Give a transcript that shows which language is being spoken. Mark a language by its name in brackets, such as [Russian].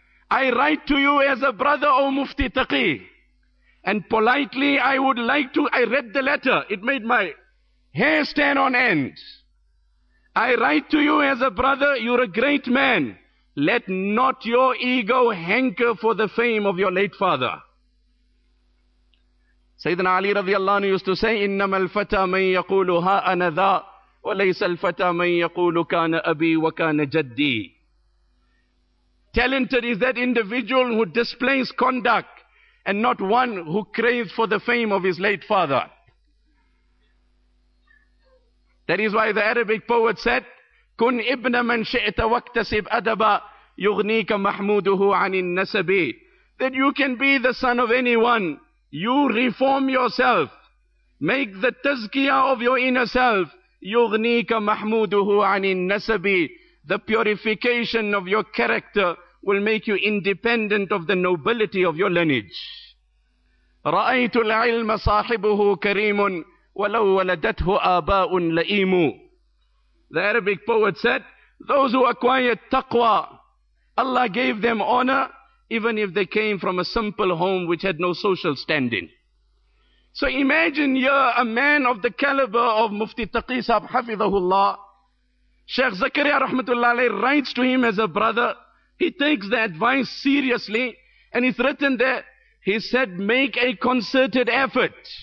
[English] I write to you as a brother, O Mufti Taqi. And politely, I read the letter. It made my hair stand on end. I write to you as a brother, you're a great man. Let not your ego hanker for the fame of your late father. Sayyidina Ali radiallahu anhu used to say, [Arabic] إِنَّمَا الْفَتَى مَنْ يَقُولُ هَا أَنَا ذَا وَلَيْسَ الْفَتَى مَنْ يَقُولُ كَانَ أَبِي وَكَانَ جَدِّي. [English] Talented is that individual who displays conduct and not one who craves for the fame of his late father. That is why the Arabic poet said, [Arabic] كُنْ إِبْنَ مَنْ شِئْتَ وَاكْتَسِبْ أَدَبًا يُغْنِيكَ مَحْمُودُهُ عَنِ النَّسَبِ. [English] That you can be the son of anyone. You reform yourself. Make the tazkiyah of your inner self. [Arabic] يُغْنِيكَ مَحْمُودُهُ عَنِ النَّسَبِ. [English] The purification of your character will make you independent of the nobility of your lineage. [Arabic] رَأَيْتُ الْعِلْمَ صَاحِبُهُ كَرِيمٌ وَلَوْ وَلَدَتْهُ آبَاءٌ لَئِيمُ. [English] The Arabic poet said, Those who acquired taqwa, Allah gave them honor, even if they came from a simple home which had no social standing. So imagine you're a man of the caliber of Mufti Taqi Sahib Hafidhahullah. Sheikh Zakaria Rahmatullah Alayhi writes to him as a brother. He takes the advice seriously, and it's written there, he said, make a concerted effort.